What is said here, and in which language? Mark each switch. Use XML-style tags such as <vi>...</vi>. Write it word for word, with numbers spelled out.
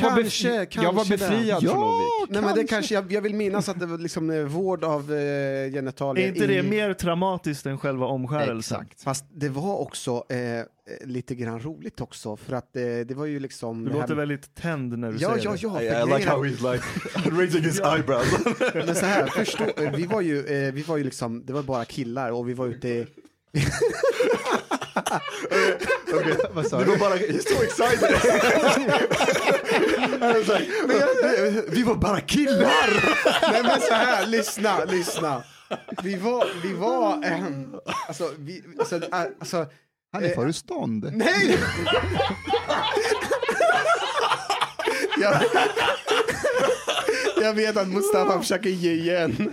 <sv>kanske, var befri- kanske jag var befriad det. Från ja, Ovik. Nej, men det kanske, jag, jag vill minnas att det var liksom eh, vård av eh, genitalier. Är inte det i... mer traumatiskt än själva omskärelsen? Exakt. Fast det var också eh, lite grann roligt också, för att eh, det var ju liksom... Du låter här... väldigt tänd när du ja, säger ja, ja, det. Ja, ja,</sv> <en>I like how he's like raising his eyebrows.</en> <sv>Men så här, förstå, vi var ju, eh, vi var ju liksom, det var bara killar och vi var ute i... Okay, vad sa du? Var bara,</sv> <en>he's so excited. I was like,</en> <sv>men jag, vi var bara killar. Nej, men så här, lyssna, lyssna. Vi var, vi var, eh, alltså, vi, alltså, alltså. Han är eh, för stånd. Nej! jag, jag vet att Mustafa försöker ge igen.</sv>